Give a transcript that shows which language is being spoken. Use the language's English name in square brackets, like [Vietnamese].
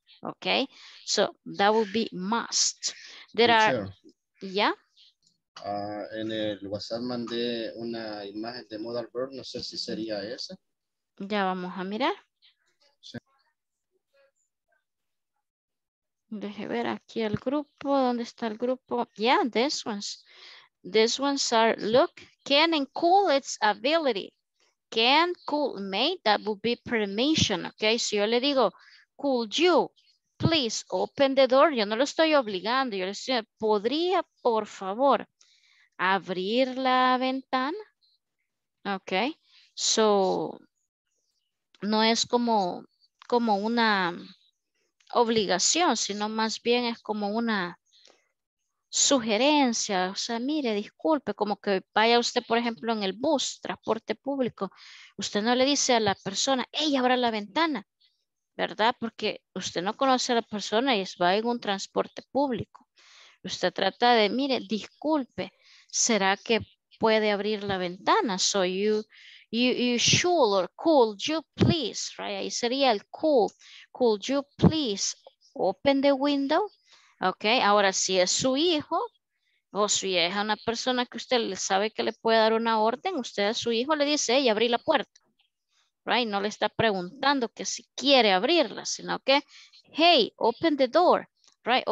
[English] Okay, so that would be must. There are, yeah. [Spanish] En el WhatsApp mandé una imagen de modal verb, no sé si sería esa. Ya vamos a mirar. Sí. Deje ver aquí el grupo, ¿dónde está el grupo? [English] Yeah, these ones are, look, can and could, it's ability. Can, could, may, that would be permission, okay? [Spanish] Si yo le digo, [English] could you please open the door, [Spanish] yo no lo estoy obligando, yo le estoy, podría, por favor. Abrir la ventana, ok, so, no es como una obligación, sino más bien es como una, sugerencia, o sea, mire, disculpe, como que vaya usted, por ejemplo, en el bus, transporte público, usted no le dice a la persona, hey, abra la ventana, ¿verdad? Porque usted no conoce a la persona y va en un transporte público. Usted trata de, mire, disculpe, ¿será que puede abrir la ventana? [English] So you should or could you please, right? [Spanish] Ahí sería el [English] could you please open the window? [Spanish] Ok, ahora si es su hijo o su hija, una persona que usted sabe que le puede dar una orden, usted a su hijo le dice, hey, abrí la puerta, right? No le está preguntando que si quiere abrirla, sino que, [English] hey, open the door, [Spanish] right?